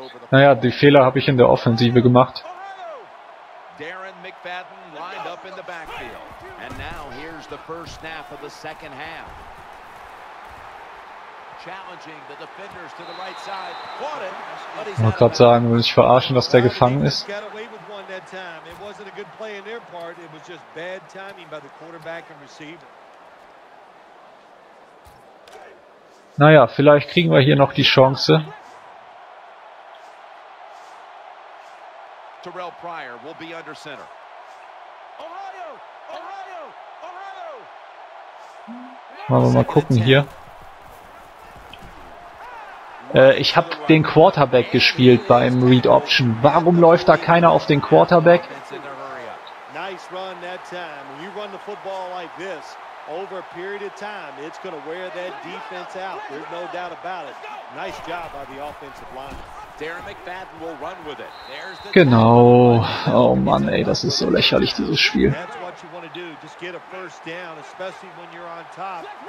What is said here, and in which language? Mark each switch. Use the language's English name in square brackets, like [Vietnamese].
[German] Naja, die Fehler habe ich in der Offensive gemacht. [English] Darren McFadden lined up in the backfield. And now here's the first snap of the second half. Challenging the defenders to the right side. Caught it. [German] Ich wollte gerade sagen, will ich verarschen, dass der gefangen ist. [English] Got away with one that time. It wasn't a good play in their part. It was just bad timing by the quarterback and receiver. [German] Naja, vielleicht kriegen wir hier noch die Chance. [English] Terrell Pryor will be under center. Ohio! Ohio! Ohio! [German] Wollen wir mal gucken hier. Ich habe den Quarterback gespielt beim Read Option. Warum läuft da keiner auf den Quarterback? [English] Nice run that time. When you run the football like this, over a period of time, it's going to wear that defense out. There's no doubt about it. Nice job by the offensive line. Darren McFadden will run with it. [German] Genau. Oh Mann, ey, das ist so lächerlich, dieses Spiel. [English] That's what you want to do. Just get a first down, especially when you're on top.